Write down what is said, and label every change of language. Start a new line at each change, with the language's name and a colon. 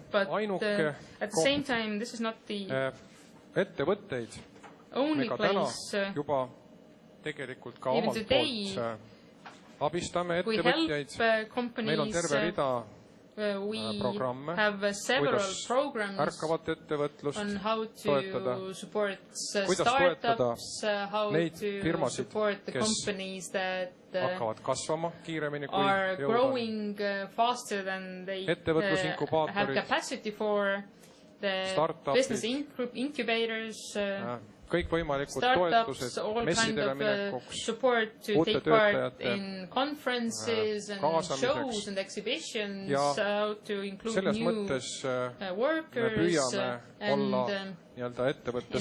English: But at the same time, this is not the
Estonian: ettevõtteid,
English: only place.
Estonian: Juba tegelikult ka omalt poolt abistame ettevõtjaid.
English: We help companies.
Estonian: Meil on terve rida
English: programme. We have several programs
Estonian: ärkavat ettevõtlust
English: on how to support startups, how to support the companies that
Estonian: hakkavad kasvama kiiremini kui
English: are growing faster than they have capacity for the business incubators,
Estonian: kõik võimalikud toetused messidele minekuks, uute töötajate kaasamiseks ja selles mõttes me püüame olla nii-öelda ettevõtte sõbralikud.